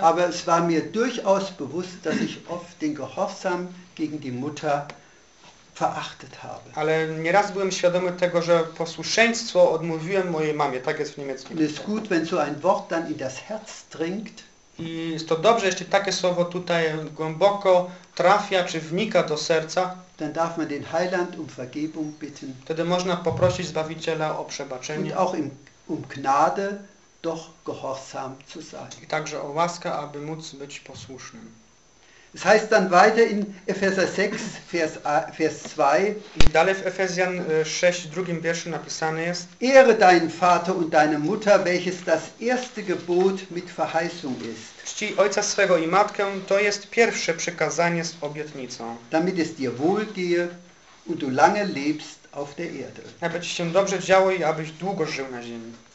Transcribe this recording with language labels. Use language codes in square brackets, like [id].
[de] Aber es war mir durchaus bewusst, dass ich oft den Gehorsam gegen die Mutter verachtet habe. [pl] Ale nieraz byłem świadomy tego, że posłuszeństwo odmówiłem mojej mamie. Tak jest w niemieckim. [de] Es ist gut, wenn so ein Wort dann in das Herz dringt. [pl] I jest to dobrze, jeśli takie słowo tutaj głęboko trafia, czy wnika do serca. [de] Dann darf man den Heiland um Vergebung bitten. [pl] Wtedy można poprosić Zbawiciela o przebaczenie. [de] Und auch um Gnade, doch gehorsam zu sein. [pl] I także o łaskę, aby móc być posłusznym. [de] Es heißt dann weiter in Epheser 6, Vers 2. [pl] I dalej w Efezjan 6, drugim wierszu napisane jest: [de] Ehre deinen Vater und deine Mutter, welches das erste Gebot mit Verheißung ist. [pl] Czci ojca swego i matkę, to jest pierwsze przykazanie z obietnicą. [de] Damit es dir wohl gehe und du lange lebst auf der Erde. [pl] Aby ci się dobrze działo i abyś długo żył na ziemi.